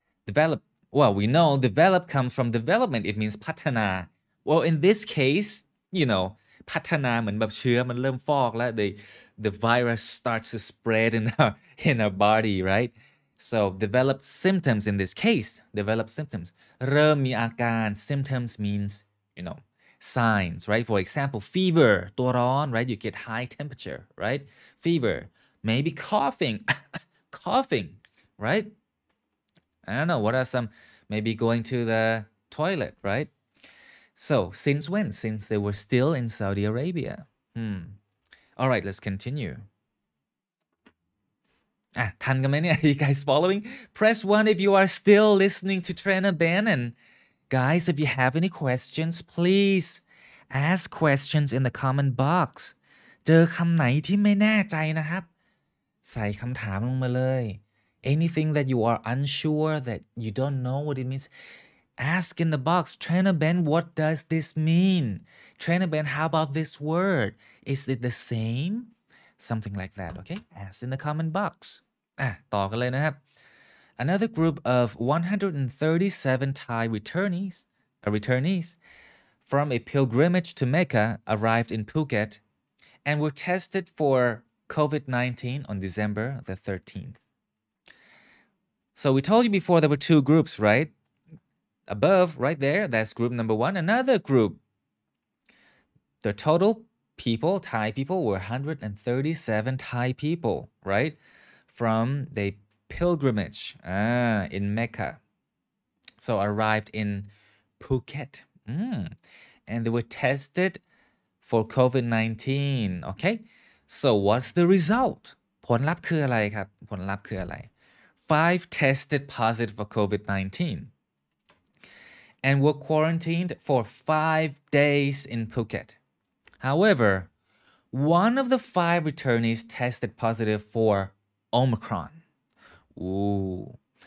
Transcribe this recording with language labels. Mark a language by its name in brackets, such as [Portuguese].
[English] Developed. Well, we know develop comes from development. It means [Thai] พัฒนา.Well, [English] in this case, you know, [Thai] พัฒนาเหมือนแบบเชื้อมันเริ่มฟอกแล้ว [English] the virus starts to spread in our body, right? So developed symptoms in this case, developed symptoms. [Thai] เริ่มมีอาการ [English] symptoms means, you know, signs, right? For example, fever, [Thai] ตัวร้อน, [English] right? You get high temperature, right? Fever, maybe coughing, coughing, right? I don't know, what are some, maybe going to the toilet, right? So, since when? Since they were still in Saudi Arabia. All right, let's continue. [Thai] ทันกันไหมเนี่ย? [English] Are you guys following? Press 1 if you are still listening to Trainer Ben. And guys, if you have any questions, please ask questions in the comment box. [Thai] เจอคำไหนที่ไม่แน่ใจนะครับ? ใส่คำถามลงมาเลย. [English] Anything that you are unsure, that you don't know what it means, ask in the box, Trainer Ben, what does this mean? Trainer Ben, how about this word? Is it the same? Something like that, okay? Ask in the comment box. [Thai] ต่อกันเลยนะครับ. [English] Another group of 137 Thai returnees a returnees, from a pilgrimage to Mecca, arrived in Phuket, and were tested for COVID-19 on December the 13th. So we told you before there were two groups, right? Above, right there, that's group number one. Another group, the total people, Thai people, were 137 Thai people, right? From the pilgrimage in Mecca. So arrived in Phuket. And they were tested for COVID-19, okay? So what's the result? [Thai] ผลลัพธ์คืออะไรครับ ผลลัพธ์คืออะไร? [English] 5 tested positive for COVID-19 and were quarantined for 5 days in Phuket. However, one of the 5 returnees tested positive for Omicron. Ooh.